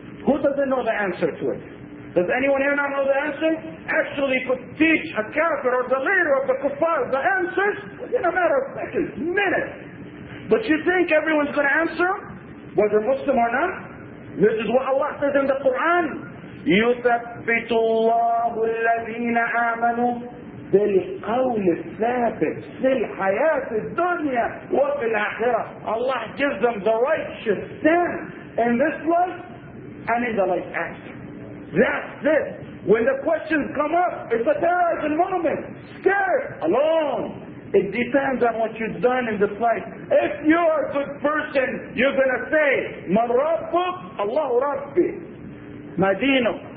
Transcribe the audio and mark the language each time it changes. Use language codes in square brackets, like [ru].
[en] Who doesn't know the answer to it? Does anyone here not know the answer? Actually, could teach a kafir or the leader of the kuffar the answers in a matter of seconds, minutes. But you think everyone's going to answer, whether Muslim or not? This is what Allah says in the Quran. [ar] يثبت الله الذين آمنوا بالقول الثابت في الحياة الدنيا وفي الآخرة. [en] Allah gives them the righteous stand in this life and in the life after. That's it. When the questions come up, it's a terrorizing moment. Scared, alone. It depends on what you've done in this life. If you're a good person, you're going to say, [ar] من ربك الله ربي. [en] Madino.